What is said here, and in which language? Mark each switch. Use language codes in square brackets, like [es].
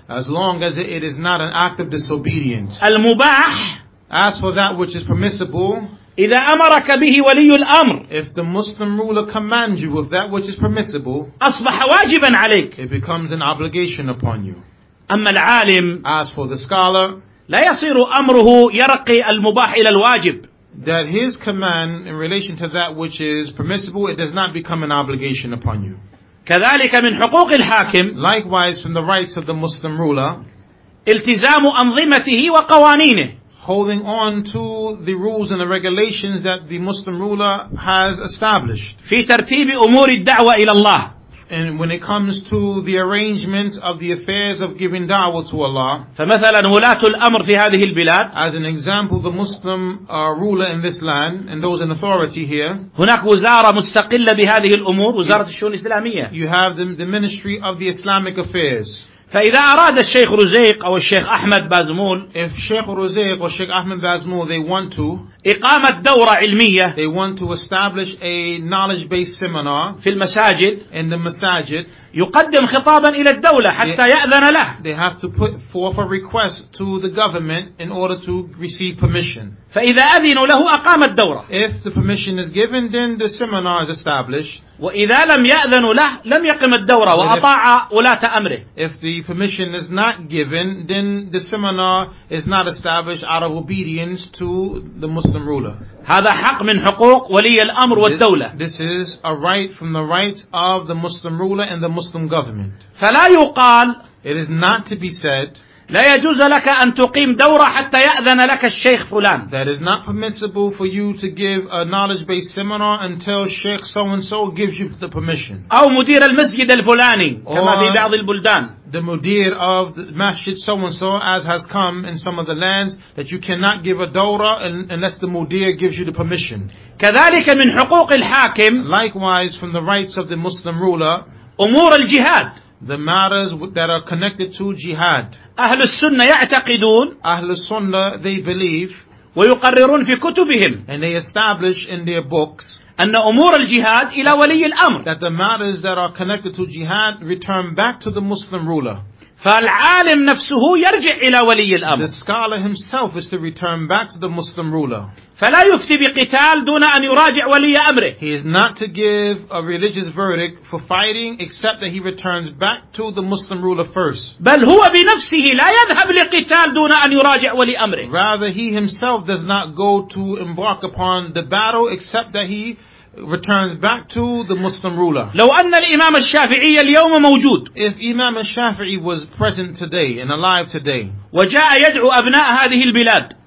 [en] As long as it is not an act of disobedience. [ar] المباح. [en] As for that which is permissible. [ar] إذا أمرك به ولي الأمر. [en] If the Muslim ruler commands you with that which is permissible. [ar] أصبح واجبا عليك. [en] It becomes an obligation upon you. [ar] أما العالم. [en] As for the scholar. [ar] لا يصير أمره يرقي المباح إلى الواجب. [en] That his command in relation to that which is permissible, it does not become an obligation upon you. [ar] كذلك من حقوق الحاكم. [en] Likewise, from the rights of the Muslim ruler. [ar] التزام أنظمته وقوانينه. [en] Holding on to the rules and the regulations that the Muslim ruler has established. [ar] في ترتيب أمور الدعوة إلى الله. [en] And when it comes to the arrangements of the affairs of giving da'wah to Allah. [ar] فمثلا ولاة الأمر في هذه البلاد. [en] As an example, the Muslim ruler in this land and those in authority here. [ar] هناك وزارة مستقلة بهذه الأمور, وزارة الشؤون الإسلامية. [en] You have the Ministry of the Islamic Affairs. [ar] فإذا أراد الشيخ رزيق أو الشيخ أحمد بازمول. [en] If Sheikh Ruzayq or Sheikh Ahmed Bazmul, they want to. [ar] إقامة دورة علمية. [en] They want to establish a knowledge-based seminar. [ar] في المساجد. [en] In the masajid. [ar] يقدم خطابا إلى الدولة حتى يأذن له. [en] They have to put forth a request to the government in order to receive permission. [ar] فإذا أذنوا له أقام الدورة. [en] If the permission is given, then the seminar is established. [ar] وإذا لم يأذنوا له لم يقم الدورة وأطاع ولاة أمره. [en] If the permission is not given, then the seminar is not established out of obedience to the Muslim ruler. [ar] هذا حق من حقوق ولي الأمر والدولة. [en] This is a right from the rights of the Muslim ruler and the Muslim government. [ar] فلا يقال. [en] It is not to be said. [ar] لا يجوز لك أن تقيم دورة حتى يأذن لك الشيخ فلان. [en] That is not permissible for you to give a knowledge-based seminar until Sheikh so-and-so gives you the permission. [ar] أو مدير المسجد الفلاني كما في بعض البلدان. [en] The mudir of the masjid so-and-so as has come in some of the lands that you cannot give a dawra unless the mudir gives you the permission. [ar] كذلك من حقوق الحاكم. [en] Likewise from the rights of the Muslim ruler. [ar] أمور الجهاد. [en] the matters that are connected to jihad. [ar] أهل السنة يعتقدون. أهل السنة [en] they believe. [ar] ويقررون في كتبهم. [en] And they establish in their books. [ar] أن أمور الجهاد إلى ولي الأمر. [en] That the matters that are connected to jihad return back to the Muslim ruler. [ar] فالعالم نفسه يرجع إلى ولي الأمر. [en] The scholar himself is to return back to the Muslim ruler. [ar] فلا يفتي بقتال دون أن يراجع ولي أمره. [en] He is not to give a religious verdict for fighting except that he returns back to the Muslim ruler first. [ar] بل هو بنفسه لا يذهب لقتال دون أن يراجع ولي أمره. [en] Rather he himself does not go to embark upon the battle except that he returns back to the Muslim ruler. [ar] لو أن الإمام الشافعي اليوم موجود. [en] If Imam al-Shafi'i was present today and alive today. [ar] وجاء يدعو أبناء هذه البلاد.